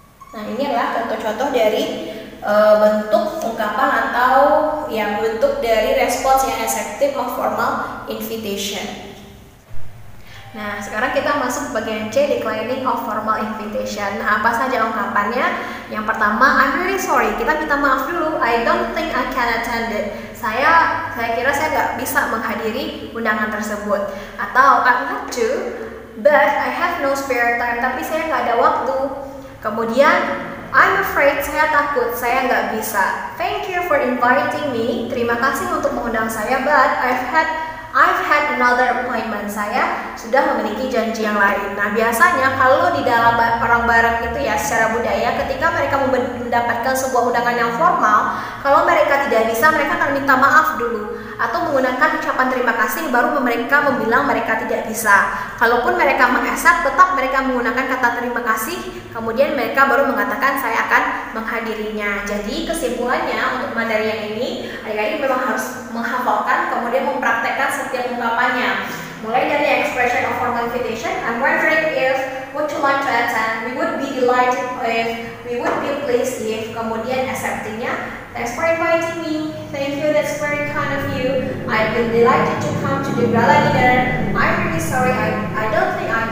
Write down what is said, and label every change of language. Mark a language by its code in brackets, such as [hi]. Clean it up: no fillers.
[id] Nah, inilah contoh-contoh dari bentuk ungkapan atau yang bentuk dari response yang efektif of formal invitation. Nah, sekarang kita masuk ke bagian C, declining of formal invitation. Nah, apa saja ungkapannya? Yang pertama, [en] I'm really sorry. [id] Kita minta maaf dulu. [en] I don't think I can attend it. [id] Saya kira saya enggak bisa menghadiri undangan tersebut. [en] Atau I'd like to, but I have no spare time. [id] Tapi saya enggak ada waktu. Kemudian [en] I'm afraid, [id] saya takut, saya enggak bisa. [en] Thank you for inviting me. [id] Terima kasih untuk mengundang saya, [en] but I've had another appointment. [id] Saya sudah memiliki janji yang lain. Nah, biasanya kalau di dalam orang Barat itu ya, secara budaya, ketika mereka mendapatkan sebuah undangan yang formal, kalau mereka tidak bisa, mereka akan minta maaf dulu atau menggunakan ucapan terima kasih baru mereka membilang mereka tidak bisa. Kalaupun mereka mengesak, tetap mereka menggunakan kata terima kasih, kemudian mereka baru mengatakan saya akan menghadirinya. Jadi kesimpulannya untuk materi yang ini, adik-adik memang harus menghafalkan kemudian mempraktekkan setiap ungkapannya. Mulai dari [en] expression of formal invitation, I'm wondering if would you like to attend, we would be delighted if, we would be pleased if, [id] kemudian acceptingnya, [en] thanks for inviting me, thank you, that's very kind of you, I've been delighted to come to the gala dinner, I'm really sorry, I don't think